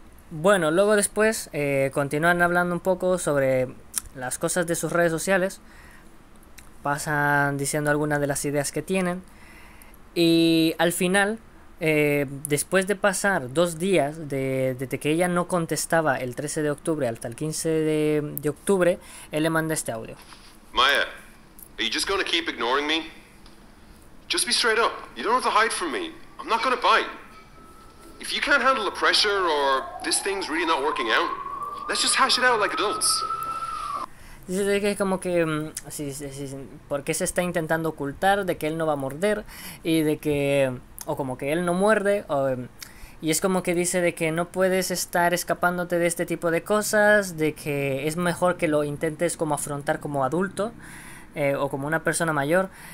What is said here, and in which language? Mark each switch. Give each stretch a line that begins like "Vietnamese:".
Spanish: Bueno, luego después continúan hablando un poco sobre las cosas de sus redes sociales, pasan diciendo algunas de las ideas que tienen, y al final, después de pasar 2 días desde que ella no contestaba el 13 de octubre hasta el 15 de octubre, él le manda este audio.
English: Maya, are you just gonna keep ignoring me? Just be straight up. You don't have to hide from me. I'm not gonna bite. If you can't handle the pressure or this thing's really not working out, let's just hash it out like adults.
Spanish: Dice que es como que, porque se está intentando ocultar de que él no va a morder y de que, o como que él no muerde, y es como que dice de que no puedes estar escapándote de este tipo de cosas, de que es mejor que lo intentes como afrontar como adulto, o como una persona mayor.